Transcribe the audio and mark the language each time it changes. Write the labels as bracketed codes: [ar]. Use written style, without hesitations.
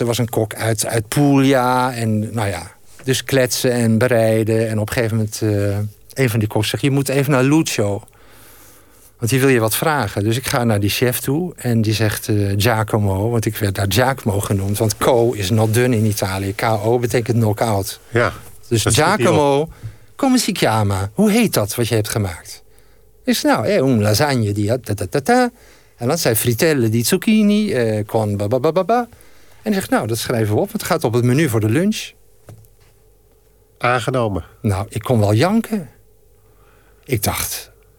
[nl] Er was een kok uit Puglia. En nou ja, dus kletsen en bereiden. En op een gegeven moment, een van die koks zegt, je moet even naar Lucio. Want die wil je wat vragen. Dus ik ga naar die chef toe en die zegt Giacomo. Want ik werd daar Giacomo genoemd. Want co [en] is not done [nl] in Italië. K.O. betekent knock-out. Ja, dus [it] Giacomo, come si chiama? [nl] Hoe heet dat wat je hebt gemaakt? Is nou, een lasagne. En dan zijn fritelle di zucchini. Con bababababa. En hij zegt, nou, dat schrijven we op. Het gaat op het menu voor de lunch. Aangenomen. Nou, ik kon wel janken. Ik dacht...